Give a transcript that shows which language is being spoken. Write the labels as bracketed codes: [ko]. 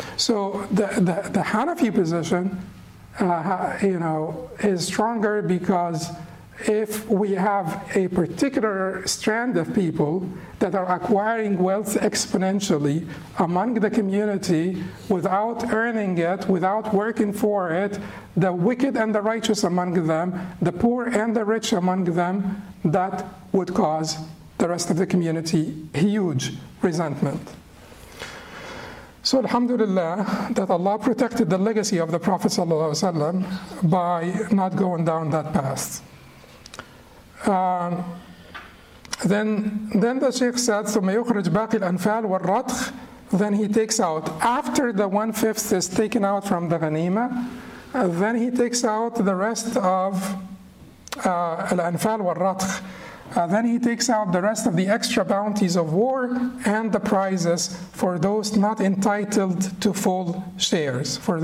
[en] So the Hanafi position, you know, is stronger because if we have a particular strand of people that are acquiring wealth exponentially among the community without earning it, without working for it, the wicked and the righteous among them, the poor and the rich among them, that would cause the rest of the community huge resentment. So alhamdulillah that Allah protected the legacy of the Prophet ﷺ by not going down that path. Then the Shaykh said, [ar] ثُمَّ يُخْرِجْ بَاقِ الْأَنْفَالِ وَالرَّطْخِ. [en] Then he takes out, after the one-fifth is taken out from the ghanima, then he takes out the rest of [ar] الْأَنْفَالِ وَالرَّطْخِ. [en] Then he takes out the rest of the extra bounties of war and the prizes for those not entitled to full shares.